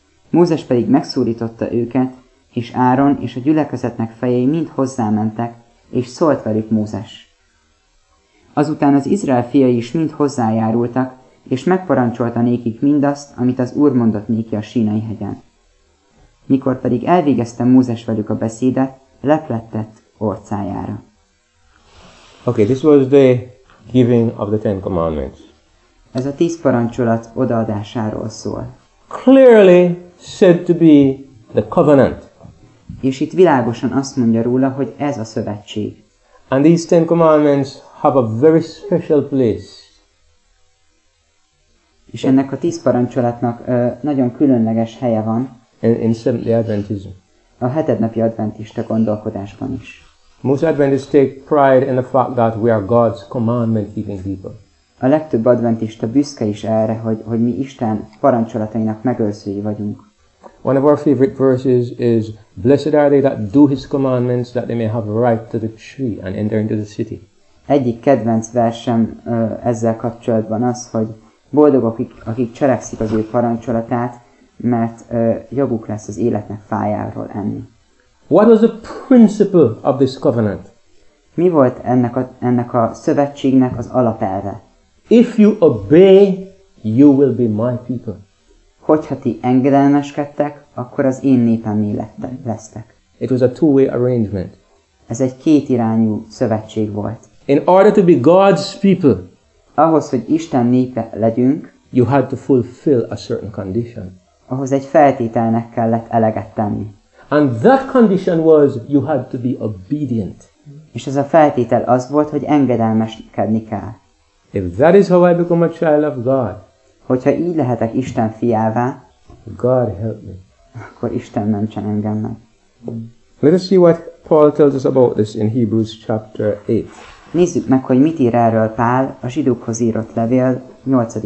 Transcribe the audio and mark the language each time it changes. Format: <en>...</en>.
<hu>Mózes pedig megszólította őket, és Áron és a gyülekezetnek fejei mind hozzámentek, és szólt velük Mózes. Azután az Izrael fiai is mind hozzájárultak, és megparancsolta nékik mindazt, amit az Úr mondott néki a Sínai hegyen. Mikor pedig elvégezte Mózes velük a beszédet, leplettett orcájára.</hu> <en>Okay, this was the giving of the Ten Commandments.</en> <hu>Ez a 10 parancsolat odaadásáról szól.</hu> <en>Clearly said to be the covenant.</en> <hu>És itt világosan azt mondja róla, hogy ez a szövetség.</hu> <en>And these Ten Commandments have a very special place.</en> <hu>És ennek a 10 parancsolatnak nagyon különleges helye van.</hu> <en>In Seventh-day Adventism.</en> <hu>A hetednapi adventista gondolkodásban is.</hu> <en>Most Adventists take pride in the fact that we are God's commandment-keeping people.</en> <hu>A legtöbb adventista büszke is erre, hogy mi Isten parancsolatainak megőrzői vagyunk.</hu> <en>One of our favorite verses is, "Blessed are they that do His commandments, that they may have right to the tree and enter into the city."</en> <hu>Egyik kedvenc versem ezzel kapcsolatban az, hogy boldog akik cselekszik az ő parancsolatát, mert joguk lesz az életnek fájáról enni.</hu> <en>What was the principle of this covenant?</en> <hu>Mi volt ennek a szövetségnek az alapelve?</hu> <en>If you obey, you will be my people.</en> <hu>Hogyha ti engedelmeskedtek, akkor az én népemé lesztek.</hu> <en>It was a two-way arrangement.</en> <hu>Ez egy kétirányú szövetség volt.</hu> <en>In order to be God's people,</en> <hu>ahhoz, hogy Isten népe legyünk,</hu> <en>you had to fulfill a certain condition.</en> <hu>Ahhoz egy feltételnek kellett eleget tenni.</hu> <en>And that condition was you had to be obedient.</en> <hu>És ez a feltétel az volt, hogy engedelmeskedni kell.</hu> <en>If that is how I become a child of God.</en> <hu>Hogyha így lehetek Isten fiává.</hu> <en>God help me.</en> <hu>Akkor Isten mentsen engem meg.</hu> <en>Let us see what Paul tells us about this in Hebrews chapter 8.</en> <hu>Nézzük meg, hogy mit ír erről Pál a zsidókhoz írott levél 8.</hu>